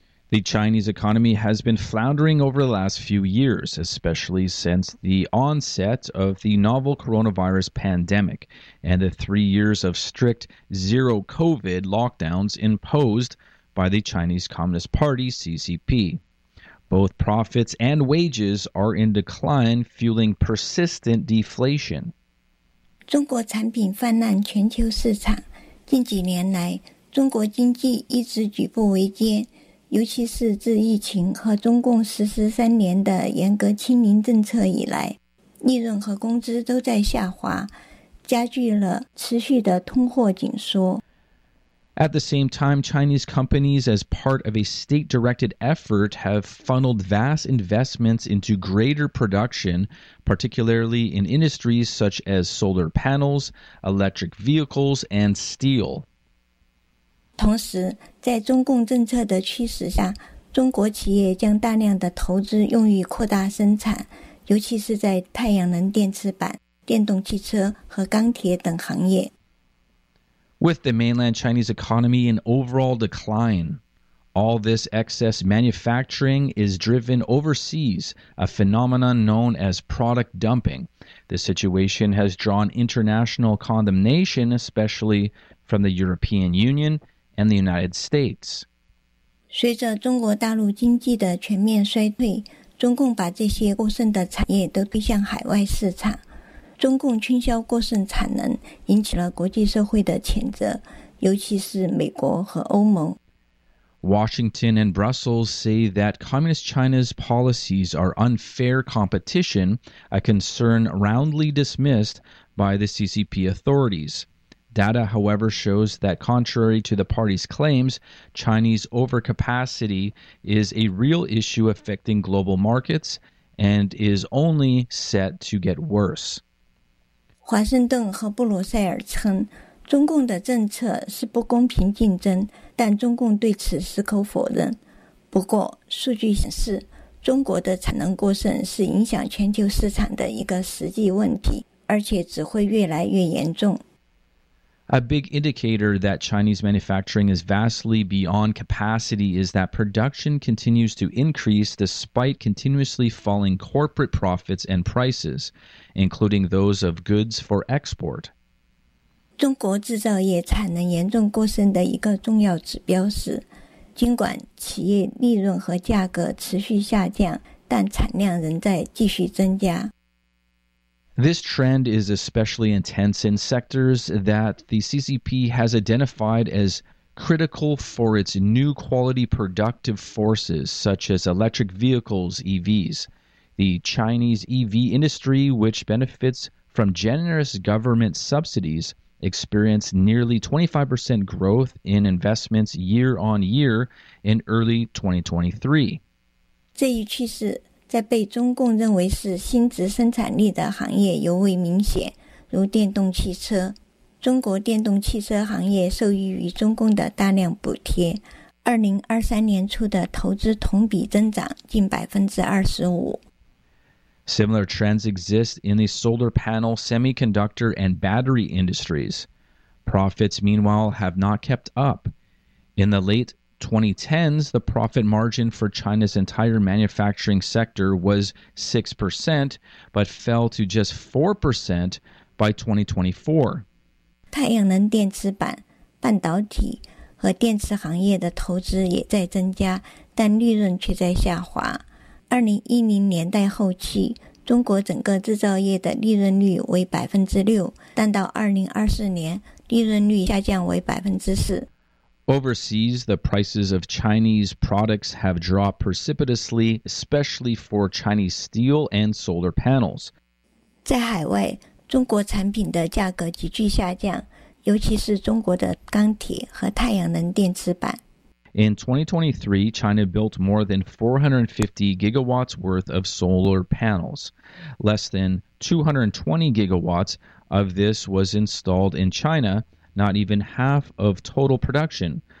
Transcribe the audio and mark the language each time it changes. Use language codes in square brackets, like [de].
[en] The Chinese economy has been floundering over the last few years, especially since the onset of the novel coronavirus pandemic and the 3 years of strict zero COVID lockdowns imposed by the Chinese Communist Party, CCP. Both profits and wages are in decline, fueling persistent deflation. [zh] 中国产品泛滥全球市场。近几年来，中国经济一直举步维艰，尤其是自疫情和中共实施三年的严格清零政策以来，利润和工资都在下滑，加剧了持续的通货紧缩。 [en] At the same time, Chinese companies, as part of a state-directed effort, have funneled vast investments into greater production, particularly in industries such as solar panels, electric vehicles, and steel. [zh] 同时，在中共政策的驱使下，中国企业将大量的投资用于扩大生产，尤其是在太阳能电池板、电动汽车和钢铁等行业。 [en] With the mainland Chinese economy in overall decline, all this excess manufacturing is driven overseas, a phenomenon known as product dumping. The situation has drawn international condemnation, especially from the European Union and the United States. [zh] 随着中国大陆经济的全面衰退，中共把这些过剩的产业都推向海外市场。中共倾销过剩产能引起了国际社会的谴责，尤其是美国和欧盟。 [en] Washington and Brussels say that Communist China's policies are unfair competition, a concern roundly dismissed by the CCP authorities. Data, however, shows that contrary to the party's claims, Chinese overcapacity is a real issue affecting global markets and is only set to get worse. [zh] 华盛顿和布鲁塞尔称，中共的政策是不公平竞争，但中共对此矢口否认。不过，数据显示，中国的产能过剩是影响全球市场的一个实际问题，而且只会越来越严重。 [en] A big indicator that Chinese manufacturing is vastly beyond capacity is that production continues to increase despite continuously falling corporate profits and prices, including those of goods for export. [zh] 中国制造业产能严重过剩的一个重要指标是，尽管企业利润和价格持续下降，但产量仍在继续增加。 [en] This trend is especially intense in sectors that the CCP has identified as critical for its new quality productive forces, such as electric vehicles, EVs. The Chinese EV industry, which benefits from generous government subsidies, experienced nearly 25% growth in investments year on year in early 2023. [zh] 这一趋势在被中共认为是新值生产力的行业尤为明显，如电动汽车。中国电动汽车行业受益于中共的大量补贴，2023年初的投资同比增长近 25%。 [en] Similar trends exist in the solar panel, semiconductor, and battery industries. Profits, meanwhile, have not kept up. In the late 2010s, the profit margin for China's entire manufacturing sector was 6%, but fell to just 4% by 2024. [zh] 太阳能电池板、半导体和电池行业的投资也在增加，但利润却在下滑。 2010年代后期，中国整个制造业的利润率为 6%, 但到2024年，利润率下降为 4%。 [en] Overseas, the prices of Chinese products have dropped precipitously, especially for Chinese steel and solar panels. [zh] 在海外，中国产品的价格急剧下降，尤其是中国的钢铁和太阳能电池板。 [en] In 2023, China built more than 450 gigawatts worth of solar panels. Less than 220 gigawatts of this was installed in China, not even half of total production,